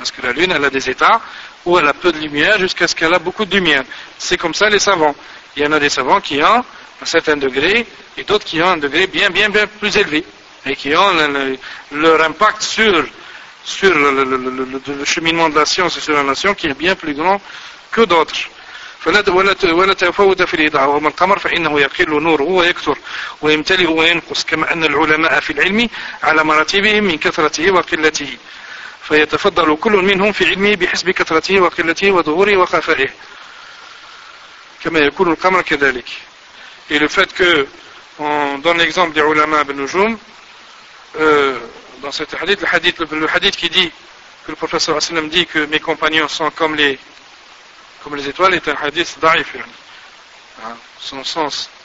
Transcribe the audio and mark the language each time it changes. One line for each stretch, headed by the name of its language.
French: Parce que la Lune, elle a des états où elle a peu de lumière jusqu'à ce qu'elle a beaucoup de lumière. C'est comme ça les savants. Il y en a des savants qui ont un certain degré et d'autres qui ont un degré bien, bien, bien plus élevé et qui ont leur impact sur le cheminement de la science et sur la nation qui est bien plus grand que d'autres.
Arabic: ولا تفاوت في الإضاءة وما القمر فإنه يقل نوره ويكثر ويمتلئ وينقص كما أن العلماء في العلم على مراتبهم من كثرته وقلته فيتفضل كل منهم في علمه بحسب كثرته وقلته وظهوره وخفائه كما يكون القمر كذلك.
French: Et le fait que on donne l'exemple des
Arabic: ulama bin nujum
French: dans cet hadith, le hadith qui dit que le prophète sallallahu alayhi wa sallam dit que mes compagnons sont comme les étoiles est un hadith daif, son sens